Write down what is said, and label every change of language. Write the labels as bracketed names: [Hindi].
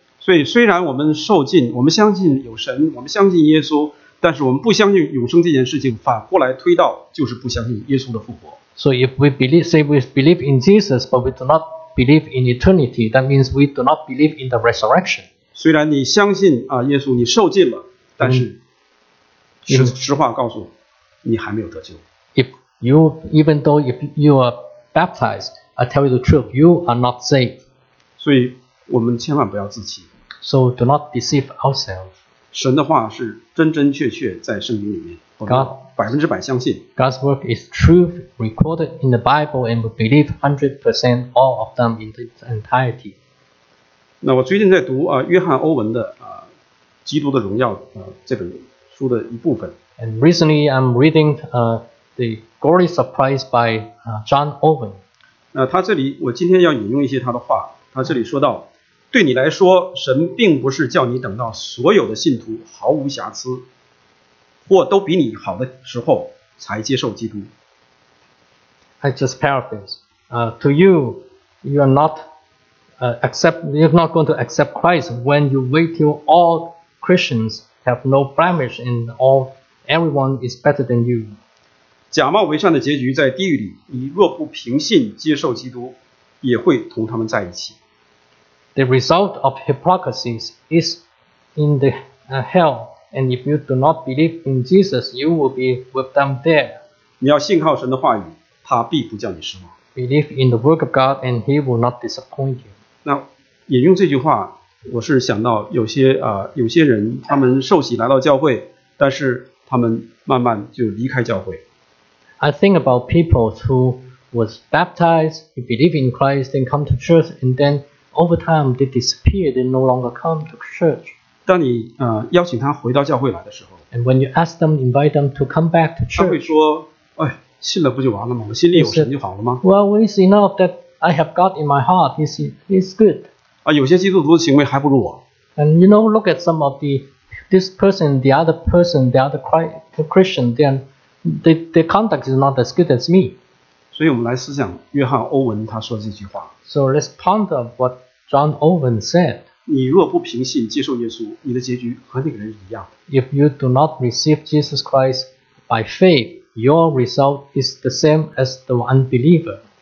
[Chinese] 所以虽然我们受尽，我们相信有神，我们相信耶稣，但是我们不相信永生这件事情，反过来推到就是不相信耶稣的复活。 [English] So if we believe, say we believe in Jesus, but we do not believe in eternity, that means we do not believe in the resurrection. [Chinese] 虽然你相信啊耶稣，你受尽了，但是实话告诉你还没有得救。 [English] If you, even though if you are baptized, I tell you the truth, you are not saved. [Chinese] 所以我们千万不要自欺。 [English] So do not deceive ourselves. [Chinese] 神的话是真真确确在圣经里面，我们百分之百相信。 [English] God's work is truth recorded in the Bible, and we believe 100% all of them in its entirety. [Chinese] 那我最近在读啊约翰欧文的啊《基督的荣耀》啊这本书的一部分。 [English] And recently I'm reading The Glory of Christ by John Owen. [Chinese] 那他这里，我今天要引用一些他的话。他这里说到，对你来说，神并不是叫你等到所有的信徒毫无瑕疵，或都比你好的时候才接受基督。 [English] I just paraphrase. To you, you are not you're not going to accept Christ when you wait till all Christians have no blemish and all everyone is better than you. [Chinese] 假冒为善的结局在地狱里，你若不凭信接受基督，也会同他们在一起。 [English] The result of hypocrisy is in the hell, and if you do not believe in Jesus, you will be with them there. [Chinese] 你要信靠神的话语，他必不叫你失望。 [English] Believe in the work of God, and he will not disappoint you. [Chinese] 那引用这句话，我是想到有些有些人他们受洗来到教会，但是他们慢慢就离开教会。 [English] I think about people who was baptized, who believe in Christ, then come to church, and then over time they disappear, they no longer come to church. [Chinese] 当你邀请他回到教会来的时候 [English] ，And when you ask them, invite them to come back to church, [Chinese] 他会说，哎，信了不就完了吗？我心里有神就好了吗 [English] ？Well, it's enough that I have God in my heart. He's good. [Chinese] 啊，有些基督徒的行为还不如我。 [English] And you know, look at some of this person, the other person, the other Christian, then. The conduct is not as good as me. [Chinese] 所以我们来思想约翰欧文他说这句话。 [English] So let's ponder what John Owen said. [Chinese] 你若不凭信接受耶稣，你的结局和那个人一样。 [English] If you do not receive Jesus Christ by faith, your result is the same as the unbeliever.